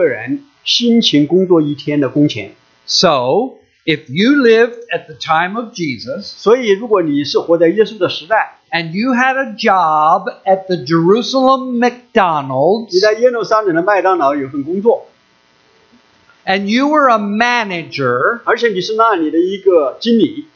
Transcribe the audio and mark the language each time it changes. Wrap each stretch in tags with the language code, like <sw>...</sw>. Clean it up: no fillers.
<zh>在那个时候，一个迪拉里的价值是超过一个人辛勤工作一天的工钱。</zh> <en>So, if you lived at the time of Jesus,</en> <zh>所以如果你是活在耶稣的时代,</zh> <en>and you had a job at the Jerusalem McDonald's,</en> <zh>你在耶路撒冷的麦当劳有份工作,</zh> <en>and you were a manager,</en> <zh>而且你是那里的一个经理,</zh>